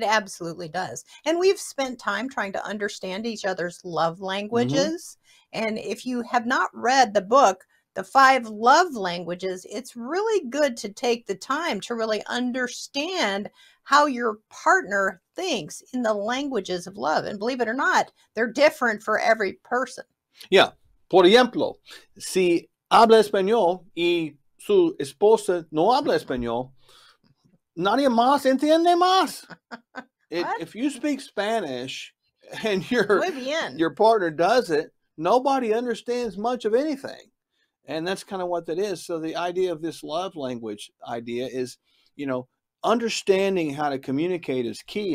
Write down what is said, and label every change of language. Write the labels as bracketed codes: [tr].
[en] It absolutely does. And we've spent time trying to understand each other's love languages. Mm-hmm. And if you have not read the book, The Five Love Languages, it's really good to take the time to really understand how your partner thinks in the languages of love. And believe it or not, they're different for every person. Yeah. [es] Por ejemplo, si habla español y su esposa no habla español, nadie más entiende más. [en] If you speak Spanish and your partner does it, nobody understands much of anything. And that's kind of what that is. So the idea of this love language idea is, you know, understanding how to communicate is key.